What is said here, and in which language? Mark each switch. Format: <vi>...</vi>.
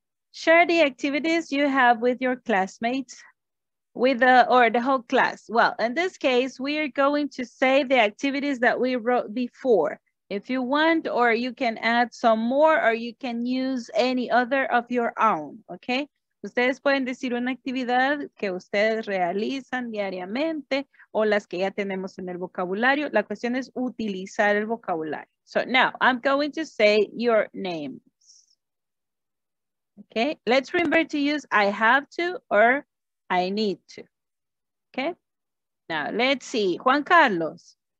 <en>Share the activities you have with your classmates, with the, or the whole class. Well, in this case, we are going to say the activities that we wrote before. If you want, or you can add some more, or you can use any other of your own, okay?</en> <es>Ustedes pueden decir una actividad que ustedes realizan diariamente o las que ya tenemos en el vocabulario. La cuestión es utilizar el vocabulario.</es> <en>So now I'm going to say your names. Okay, let's remember to use I have to or I need to. Okay, now let's see. Juan Carlos.</en>